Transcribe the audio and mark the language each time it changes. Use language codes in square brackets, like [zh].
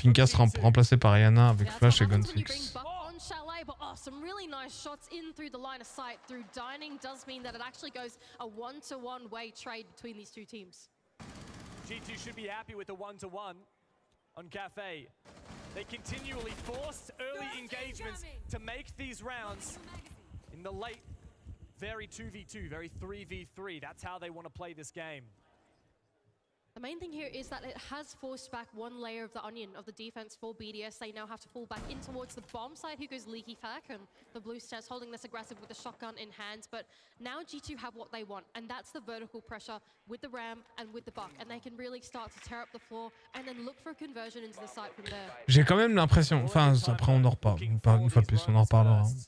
[fr] Finkas remplacé par Yana avec Flash et Gunfix. [en] Some really nice shots in through the line of sight. Through dining does mean that it actually goes a one-to-one way trade between these two teams. G2 should be happy with the one-to-one on Cafe. They continually forced early engagements to make these rounds. In the late, very 2v2, very 3v3. That's how they want to play this game. The main thing here is that it has forced back one layer of the onion of the defense for BDS. They now have to fall back in towards the bomb side. Who goes Leaky Fack and the Blue Stairs holding this aggressive with the shotgun in hand. But now G2 have what they want, and that's the vertical pressure with the ram and with the buck. And they can really start to tear up the floor and then look for a conversion into the site from there. [fr] J'ai quand même l'impression, enfin après on en reparle, une fois plus on en reparlera.